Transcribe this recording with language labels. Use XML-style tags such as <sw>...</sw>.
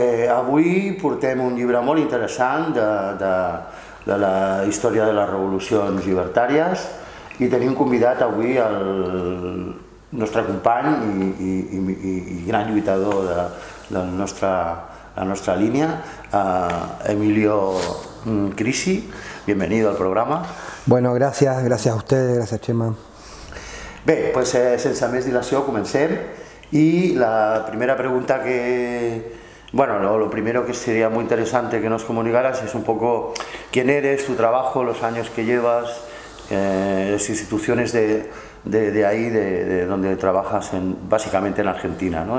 <ca>Avui portem un llibre molt interessant de la història de les revolucions llibertàries i tenim convidat avui el nostre company i gran lluitador de la nostra línia, Emilio Crisi.</ca> <es>Bienvenido al programa. Bueno, gracias a ustedes, gracias Chema.</es> <ca>Bé, pues sense més dilació comencem i la primera pregunta que...</ca> <es>Bueno, lo primero que sería muy interesante que nos comunicaras es un poco quién eres, tu trabajo, los años que llevas, las instituciones de ahí, de donde trabajas, en, básicamente en Argentina, ¿no?</es>